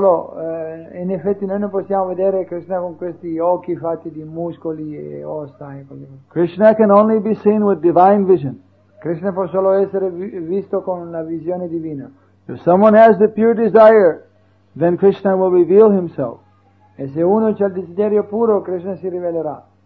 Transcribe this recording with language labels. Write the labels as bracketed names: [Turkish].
[Italian] In effetti noi non possiamo vedere Krishna con questi occhi fatti di muscoli e ossa e così. [English] Krishna can only be seen with divine vision. [Italian] Krishna può solo essere visto con la visione divina. [English] If someone has the pure desire, then Krishna will reveal himself. [Italian] E se uno c'ha il desiderio puro, Krishna si rivelerà.